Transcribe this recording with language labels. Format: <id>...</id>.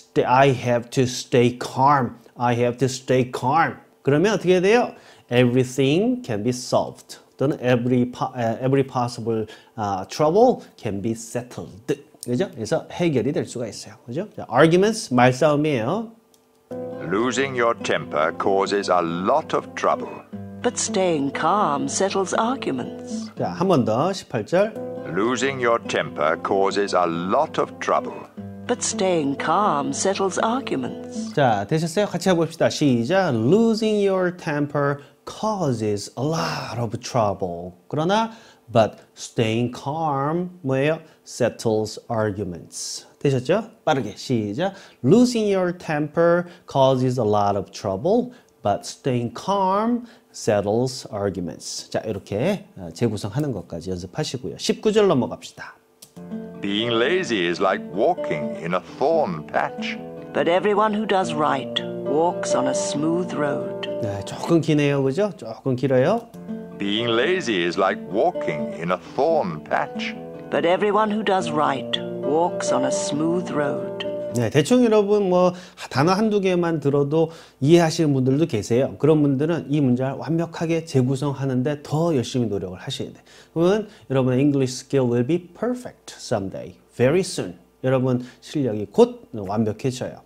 <en>I have to stay calm. I have to stay calm.</en> <ko>그러면 어떻게 돼요?</ko> <en>Everything can be solved.</en> <ko>또는</ko> <en>every possible trouble can be settled.</en> <ko>그죠? 그래서 해결이 될 수가 있어요. 그죠? 자, arguments, 말싸움이에요.</ko> <en>Losing your temper causes a lot of trouble. But staying calm settles arguments.</en> <ko>자, 한 번 더, 18절.</ko> <en>Losing your temper causes a lot of trouble. But staying calm settles arguments.</en> <ko>자, 되셨어요? 같이 해봅시다. 시작!</ko> <en>Losing your temper causes a lot of trouble.</en> <ko>그러나,</ko> <en>but staying calm,</en> <ko>뭐예요?</ko> <en>Settles arguments.</en> <ko>되셨죠? 빠르게 시작.</ko> <en>Losing your temper causes a lot of trouble, but staying calm settles arguments.</en> <ko>자, 이렇게 재구성하는 것까지 연습하시고요. 19절 넘어갑시다.</ko> <en>Being lazy is like walking in a thorn patch. But everyone who does right walks on a smooth road.</en> <ko>네, 조금 기네요, 그죠? 조금 길어요. Being lazy is like walking in a thorn patch. But everyone who does right walks on a smooth road. 네, 대충 여러분 뭐 단어 한두 개만 들어도 이해하시는 분들도 계세요. 그런 분들은 이 문장을 완벽하게 재구성하는데 더 열심히 노력을 하셔야 돼요. 그러면 여러분의</ko> <en>English skill will be perfect someday, very soon.</en> <ko>여러분 실력이 곧 완벽해져요.</ko>